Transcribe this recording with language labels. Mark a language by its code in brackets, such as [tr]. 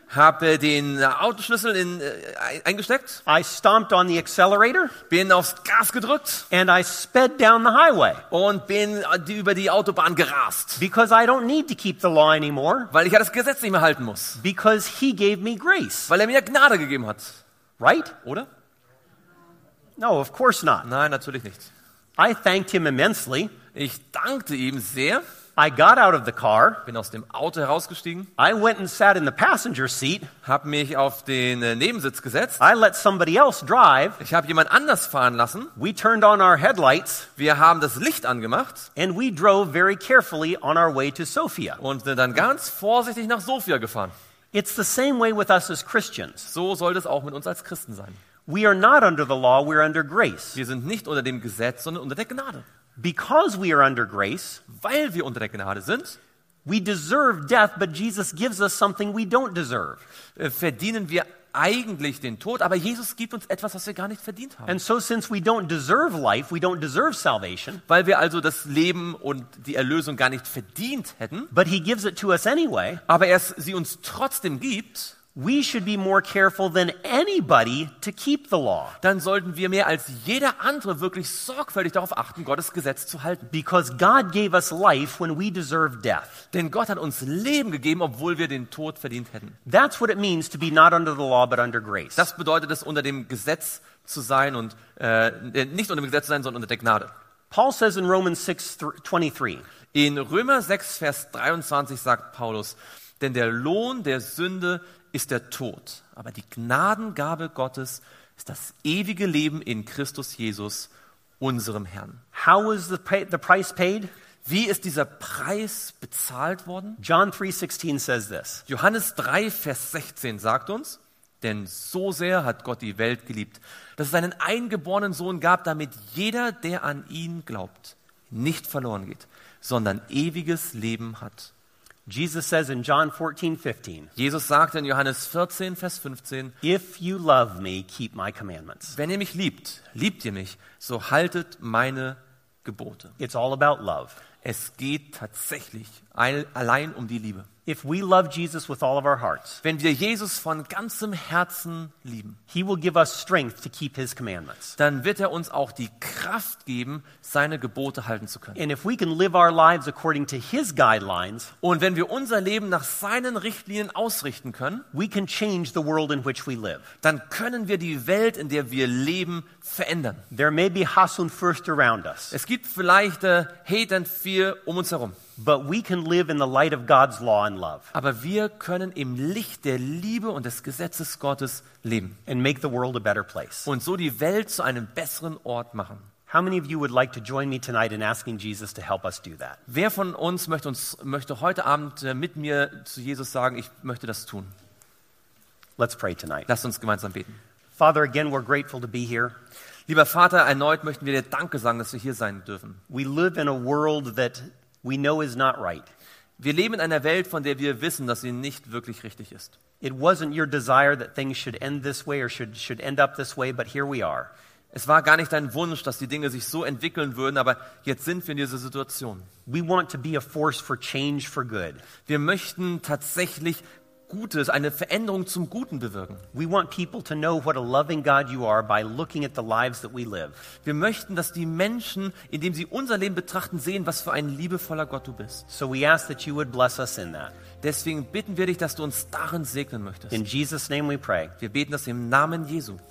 [de] Habe den Autoschlüssel in eingesteckt. [en] I stomped on the accelerator. [de] Bin aufs Gas gedrückt. [en] And I sped down the highway. [de] Und bin über die Autobahn gerast. [en] Because I don't need to keep the law anymore. [de] Weil ich ja das Gesetz nicht mehr halten muss. [en] Because he gave me grace. [de] Weil mir Gnade gegeben hat. [en] Right? [de] Oder? [en] No, of course not. [de] Nein, natürlich nicht. [en] I thanked him immensely. [de] Ich dankte ihm sehr. [en] I got out of the car. [de] Bin aus dem Auto herausgestiegen. [en] I went and sat in the passenger seat. [de] Hab mich auf den Nebensitz gesetzt. [en] I let somebody else drive. [de] Ich habe jemand anders fahren lassen. [en] We turned on our headlights. [de] Wir haben das Licht angemacht. [en] And we drove very carefully on our way to Sofia. [de] Und sind dann ganz vorsichtig nach Sofia gefahren. [en] It's the same way with us as Christians. [de] So soll es auch mit uns als Christen sein. [en] We are not under the law, we are under grace. [de] Wir sind nicht unter dem Gesetz, sondern unter der Gnade. [en] Because we are under grace, [de] weil wir unter der Gnade sind, [en] we deserve death, but Jesus gives us something we don't deserve. [de] Verdienen wir eigentlich den Tod, aber Jesus gibt uns etwas, was wir gar nicht verdient haben. [en] And so since we don't deserve life, we don't deserve salvation. [de] Weil wir also das Leben und die Erlösung gar nicht verdient hätten, [en] but he gives it to us anyway. [de] Aber er sie uns trotzdem gibt. [en] We should be more careful than anybody to keep the law. [de] Dann sollten wir mehr als jeder andere wirklich sorgfältig darauf achten, Gottes Gesetz zu halten. [en] Because God gave us life when we deserved death. [de] Denn Gott hat uns Leben gegeben, obwohl wir den Tod verdient hätten. [en] That's what it means to be not under the law but under grace. [de] Das bedeutet es, unter dem Gesetz zu sein und nicht unter dem Gesetz zu sein, sondern unter der Gnade. [en] Paul says in Romans 6:23. [de] In Römer 6 Vers 23 sagt Paulus, denn der Lohn der Sünde ist der Tod, aber die Gnadengabe Gottes ist das ewige Leben in Christus Jesus, unserem Herrn. [en] How was the price paid? [de] Wie ist dieser Preis bezahlt worden? [en] John 3:16 says this. [de] Johannes 3, Vers 16 sagt uns, denn so sehr hat Gott die Welt geliebt, dass es einen eingeborenen Sohn gab, damit jeder, der an ihn glaubt, nicht verloren geht, sondern ewiges Leben hat. [en] Jesus says in John 14:15. [de] Jesus sagt in Johannes 14, Vers 15. [en] If you love me, keep my commandments. [de] Wenn ihr mich liebt, liebt ihr mich, so haltet meine Gebote. [en] It's all about love. [de] Es geht tatsächlich allein um die Liebe. [en] If we love Jesus with all of our hearts, [de] wenn wir Jesus von ganzem Herzen lieben, [en] he will give us strength to keep his commandments. [de] Dann wird uns auch die Kraft geben, seine Gebote halten zu können. [en] And if we can live our lives according to his guidelines, [de] und wenn wir unser Leben nach seinen Richtlinien ausrichten können, [en] we can change the world in which we live. [de] Dann können wir die Welt, in der wir leben, verändern. [en] There may be [de] Hass und Furcht [en] around us. [de] Es gibt vielleicht [en] Hate and Fear [de] um uns herum. [en] But we can live in the light of God's law and love. [de] Aber wir können im Licht der Liebe und des Gesetzes Gottes leben. [en] And make the world a better place. [de] Und so die Welt zu einem besseren Ort machen. [en] How many of you would like to join me tonight in asking Jesus to help us do that? [de] Wer von uns möchte heute Abend mit mir zu Jesus sagen, ich möchte das tun? [en] Let's pray tonight. [de] Lasst uns gemeinsam beten. [en] Father, again, we're grateful to be here. [de] Lieber Vater, erneut möchten wir dir Danke sagen, dass wir hier sein dürfen. [en] We live in a world that we know is not right. [de] Wir leben in einer Welt, von der wir wissen, dass sie nicht wirklich richtig ist. [en] It wasn't your desire that things should end this way or should end up this way, but here we are. [de] Es war gar nicht dein Wunsch, dass die Dinge sich so entwickeln würden, aber jetzt sind wir in dieser Situation. [en] We want to be a force for change for good. [de] Wir möchten tatsächlich Gutes, eine Veränderung zum Guten bewirken. [en] We want people to know what a loving God you are by looking at the lives that we live. [de] Wir möchten, dass die Menschen, indem sie unser Leben betrachten, sehen, was für ein liebevoller Gott du bist. [en] So we ask that you would bless us in that. [de] Deswegen bitten wir dich, dass du uns darin segnen möchtest. [en] In Jesus' name we pray. [de] Wir beten das im Namen Jesu.